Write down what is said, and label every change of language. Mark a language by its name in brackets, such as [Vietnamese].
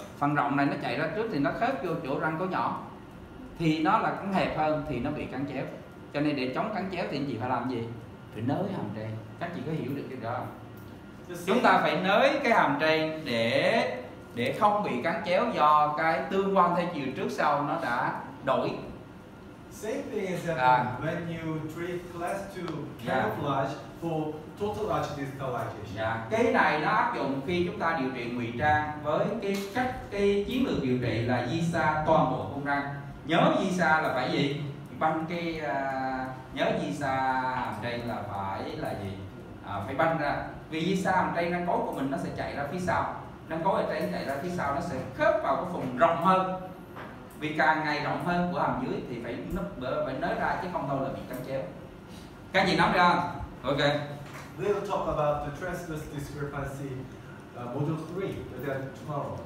[Vietnamese] Phần rộng này nó chạy ra trước thì nó khớp vô chỗ răng cấu nhỏ. Thì nó là cắn hẹp hơn thì nó bị gắn chéo. Cho nên để chống gắn chéo thì anh chị phải làm gì? Phải nới hàm trên. Các chị có hiểu được điều đó không? Chúng ta phải nới cái hàm trên để không bị gắn chéo do cái tương quan theo chiều trước sau nó đã đổi. [English] Same thing is that when you treat class 2 camouflage for total arch distalization. Yeah. [Vietnamese] Cái này nó áp dụng khi chúng ta điều trị ngụy trang với cái cách cái chiến lược điều trị là di xa toàn bộ cung răng. Nhớ di xa là phải gì? Băng cái nhớ di xa hàm trên là phải là gì? Phải băng ra. Vì di xa hàm trên răng cấu của mình nó sẽ chạy ra phía sau. Răng cấu ở trên chạy ra phía sau nó sẽ khớp vào cái phần rộng hơn. Vì càng ngày rộng hơn của hàm dưới thì phải nới ra chứ không đâu là bị cắn chéo. Các chị nắm ra không? Ok. [English] We'll talk about the transverse discrepancy module 3 tomorrow.